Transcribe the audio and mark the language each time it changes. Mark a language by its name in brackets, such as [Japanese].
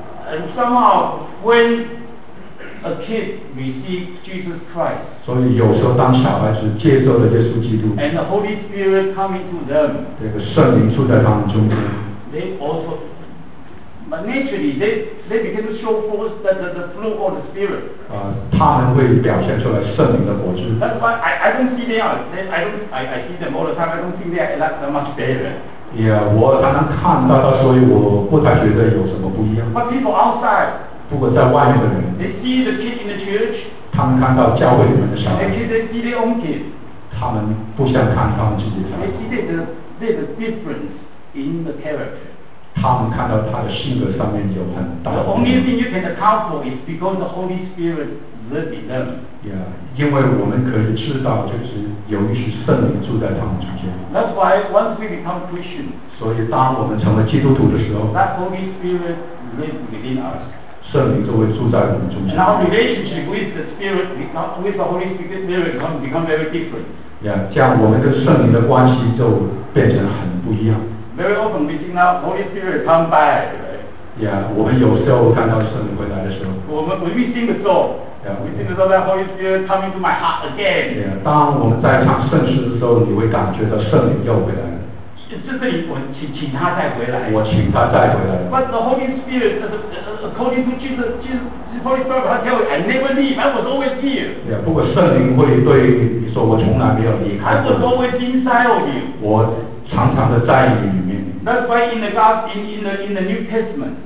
[English] and somehow, when a kid receives Jesus Christ, [Chinese] 所以有时候当小孩子接受了耶稣基督, [English] and the Holy Spirit coming to them, [Chinese] 这个圣灵住在他们中间, [English] they also, but naturally, they begin to show forth the fruit of the Spirit. [Chinese] 他们会表现出来圣灵的果子。 [English] That's why I don't see them. I see them all the time. I don't think they are that much better. [Chinese] Yeah, 我常常看到, 所以我不太觉得有什么不一样。 [English] But people outside, [Chinese] 不过在外面的人, [English] they see the kid in the church. [Chinese] 他们看到教会里面的小孩。 [English] They see their own kid. [Chinese] 他们不像看他们自己的小孩。 [English] They see there's a difference in the character. [Chinese] 他们看到他的性格上面有很大的。 [English] The only thing you can account for is because the Holy Spirit lives in them. [Chinese] Yeah, 因为我们可以知道，就是由于是圣灵住在他们中间。 [English] That's why once we become Christians, [Chinese] 所以当我们成为基督徒的时候, [English] that Holy Spirit lives within us. [Chinese] 圣灵就会住在我们中间。 [English] And our relationship with the Spirit, with the Holy Spirit, become very different. [Chinese] Yeah, 这样我们跟圣灵的关系就变成很不一样。 [English] Very often we see now Holy Spirit come back, right? [Chinese] Yeah, 我们有时候看到圣灵回来的时候, [English] when we sing the song, yeah, we sing the song that Holy Spirit come into my heart again. [Chinese] Yeah, 当我们在唱圣诗的时候, 你会感觉到圣灵又回来了。这里我请他再回来。 [English] But the Holy Spirit, according to Jesus Holy Spirit, [Chinese] 他叫我, [English] I never leave, I was always here. [Chinese] Yeah, 不过圣灵会对你说, 我从来没有离开, [English] I was always inside of you. [Chinese] 我常常的在你里面。 [English] That's why in the gospel, in the New Testament,